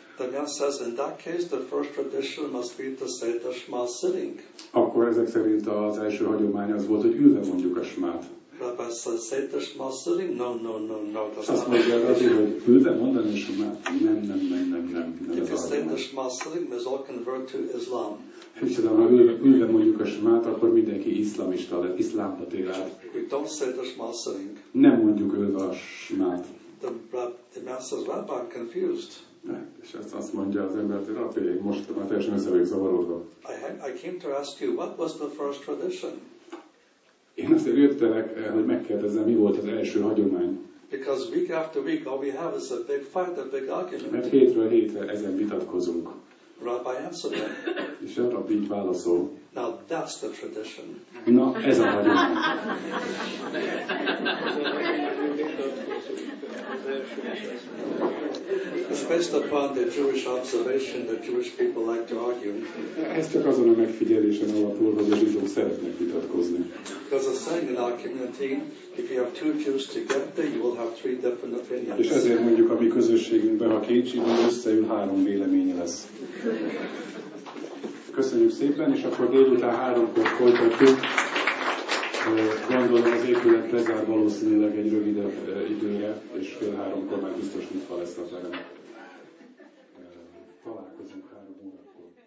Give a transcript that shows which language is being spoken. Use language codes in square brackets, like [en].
[en] The man says, in that case, the first tradition must be to say the Shema sitting. [hu] Akkor ezek szerint az első hagyomány az volt, hogy ülve mondjuk a Shemát. [en] Rabbi says, say the Shema sitting? No, no, no, no. [hu] Azt mondja a Rabbi, hogy ülve mondani a Shemát? Nem. [en] If you say the Shema sitting, we all convert to Islam. [hu] Viszont, ha ülve mondjuk a Shemát, akkor mindenki iszlamista lett, iszlámba tér át. [en] We don't say the Shema sitting. [hu] Nem mondjuk ülve a Shemát. [en] The man says, Rabbi, I'm confused. [hu] És ezt azt mondja az ember, hogy rapéig, most már teljesen össze vagyok zavarodva. [en] I came to ask you, what was the first tradition? [hu] Én azt jöttelek, hogy megkérdezzem, mi volt az első hagyomány. [en] Because week after week, all we have is a big fight, a big argument. [hu] Mert hétről hétre ezen vitatkozunk. [en] Rabbi answered that. [hu] És a rabbi így válaszol. [en] Now that's the tradition. [hu] Na, ez a hagyomány. [en] It's based upon the Jewish observation that Jewish people like to argue. [hu] Ez csak azon a megfigyelésen alapul, hogy a zsidók szeretnek vitatkozni. [en] Because a saying in our community, if you have two Jews together, you will have three different opinions. [hu] És ezért mondjuk a mi közösségünkben, ha két zsidó összeül, három véleménye lesz. Köszönjük szépen, és akkor délután háromkor folytatjuk. Gondolom az épület lezár valószínűleg egy rövidebb időre, és fél háromkor már biztos nyitva lesz a terem. Találkozunk három órakor.